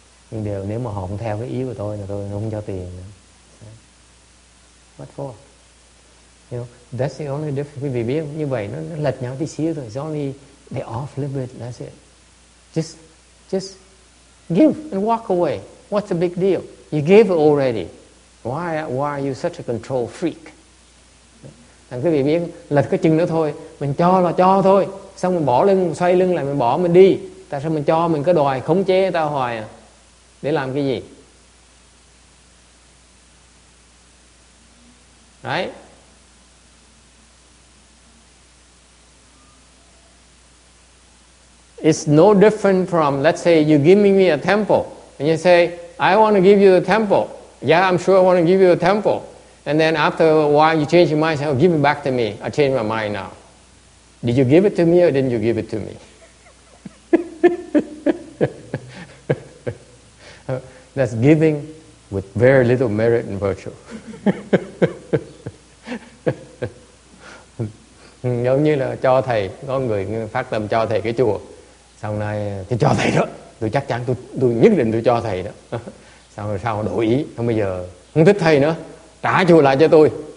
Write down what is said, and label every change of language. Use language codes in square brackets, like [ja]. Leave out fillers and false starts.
[vi] Nhưng điều nếu mà họ không theo cái ý của tôi là tôi không cho tiền nữa. [en] What for? You know, that's the only difference. [vi] Quý vị biết như vậy nó lật nhau tí xíu thôi. [en] It's only they off a little bit, that's it. Just give and walk away. What's the big deal? You gave already. Why are you such a control freak? [vi] Thằng quý vị biết lật cái chừng nữa thôi. Mình cho là cho thôi. Xong mình bỏ lưng, xoay lưng lại, mình bỏ mình đi. Tại sao mình cho, mình cứ đòi khống chế người ta hoài à? Để làm cái gì? Đấy. [en] It's no different from, let's say, you giving me a temple. And you say, I want to give you the temple. Yeah, I'm sure I want to give you a temple. And then after a while, you change your mind, say, oh, give it back to me. I change my mind now. Did you give it to me or didn't you give it to me? That's giving with very little merit and virtue. [vi] Giống như là cho thầy, có người phát tâm cho thầy cái chùa. Sau này tôi cho thầy đó, tôi chắc chắn, tôi nhất định tôi cho thầy đó. Sau đổi ý, không bây giờ không thích thầy nữa, trả chùa lại cho tôi.